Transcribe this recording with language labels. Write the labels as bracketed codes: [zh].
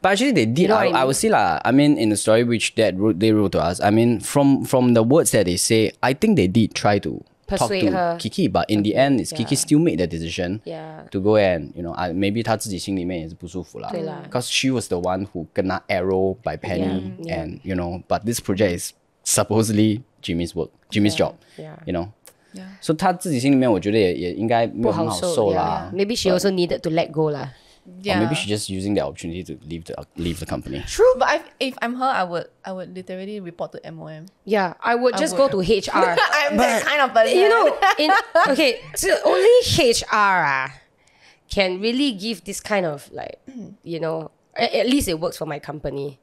[en] But actually, they did. You know I would say, I mean, in the story which that wrote, they wrote to us, I mean, from the words that they say, I think they did try to persuade talk to Kiki. But in the end, it's Kiki still made the decision yeah. to go and, you know, maybe [zh] 她自己心里面也是不舒服啦. [en] Because she was the one who kena arrow by Penny. Yeah, yeah. And, you know, but this project is supposedly Jimmy's work, Jimmy's job. Yeah. You know? Yeah. [zh] So 她自己心里面我觉得也应该没有很好受啦 [en] Maybe she also needed to let go la. Yeah. Or maybe she's just using the opportunity to leave the company. True, but if I'm her, I would literally report to MOM. Yeah, I would just go to HR. I'm but, that kind of person. You know, so only HR can really give this kind of like, you know, at least it works for my company.